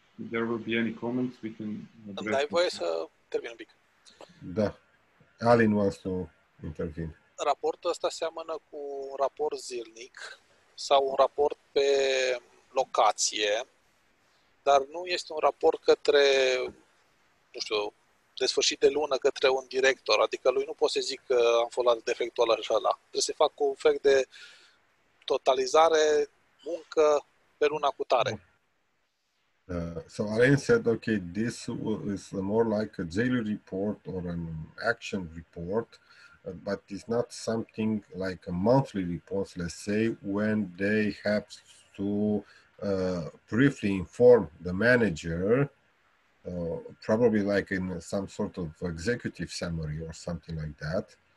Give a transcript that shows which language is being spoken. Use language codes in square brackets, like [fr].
[en] There will be any comments we can address. [ro] Dai voie să intervin un pic. [en] Da. Alin wants to intervene. [ro] Raportul ăsta seamănă cu un raport zilnic sau un raport pe locație, dar nu este un raport către, nu știu, de sfârșit de lună către un director, adică lui nu pot să zic că am fost la defectul ăla și ăla. Trebuie să fac un fel de totalizare, muncă pe luna cu tare. [en] So Alain said, okay, this is more like a daily report or an action report, but it's not something like a monthly report, let's say, when they have to briefly inform the manager, probably like in some sort of executive summary or something like that.